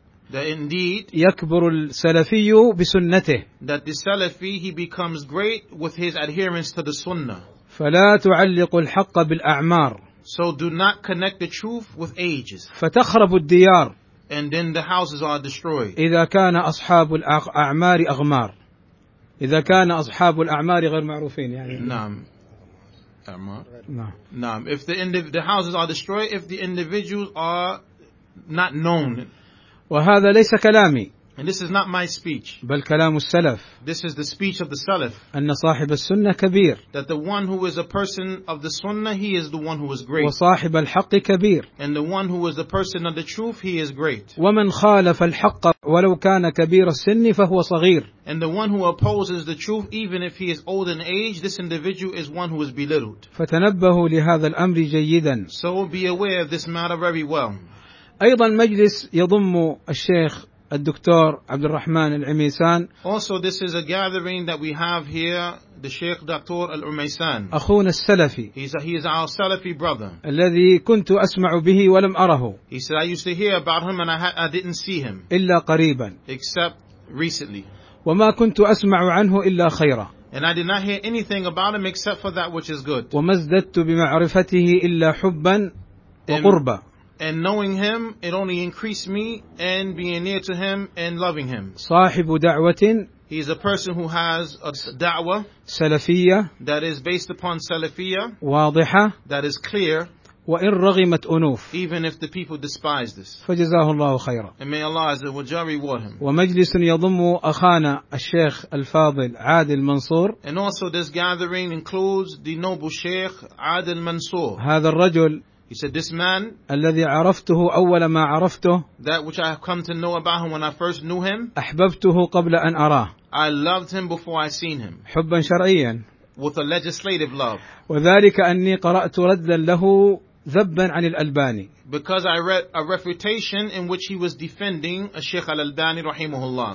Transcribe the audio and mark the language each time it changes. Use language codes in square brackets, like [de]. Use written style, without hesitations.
[en] That indeed, [ar] يكبر السلفي بسنته. [en] That the Salafi, he becomes great with his adherence to the Sunnah. [ar] فلا تعلق الحق بالأعمار. [en] So do not connect the truth with ages. [ar] فتخرب الديار. [en] And then the houses are destroyed. [ar] إذا كان أصحاب الأعمار أغمار. إذا كان أصحاب الأعمار غير معروفين يعني. نعم. أعمار. نعم. [en] If the houses are destroyed, if the individuals are not known. [ar] وهذا ليس كلامي. [en] And this is not my speech. [ar] بل كلام السلف. [en] This is the speech of the Salaf. [ar] أن صاحب السنة كبير. [en] That the one who is a person of the Sunnah, he is the one who is great. [ar] وصاحب الحق كبير. [en] And the one who is the person of the truth, he is great. [ar] ومن خالف الحق ولو كان كبير السن فهو صغير. [en] And the one who opposes the truth, even if he is old in age, this individual is one who is belittled. [ar] فتنبهوا لهذا الأمر جيدا. [en] So be aware of this matter very well. [ar] أيضا مجلس يضم الشيخ الدكتور عبد الرحمن العميسان. [en] Also this is a gathering that we have here, the Sheikh Dr. Al-Umaysan. [ar] أخونا السلفي. [en] He is our Salafi brother. [ar] الذي كنت أسمع به ولم أره. [en] He said I used to hear about him and I didn't see him. [ar] إلا قريبا. [en] Except recently. [ar] وما كنت أسمع عنه إلا خيرا. [en] And I did not hear anything about him except for that which is good. [ar] وما ازددت بمعرفته إلا حبا وقربا. [en] And knowing him, it only increased me and being near to him and loving him. [ar] صاحب دعوة. [en] He is a person who has a da'wah [ar] سلفية [en] that is based upon سلفية [ar] واضحة [en] that is clear [ar] وإن رغمت أنوف [en] even if the people despise this. [ar] فجزاه الله خيرا. [en] And may Allah Azza wa Jalla reward him. [ar] ومجلس يضم أخانا الشيخ الفاضل عادل منصور. [en] And also this gathering includes the noble Sheikh عادل منصور. [ar] هذا الرجل [en] He said, this man, [ar] الذي عرفته أول ما عرفته, [en] that which I have come to know about him when I first knew him, [ar] أحببته قبل أن أراه, [en] I loved him before I seen him, [ar] حبا شرعيا, [en] with a legislative love, [ar] وذلك أني قرأت ردا له ذبا عن الألباني, [en] because I read a refutation in which he was defending a Sheikh al-Albani [ar] رحمه الله,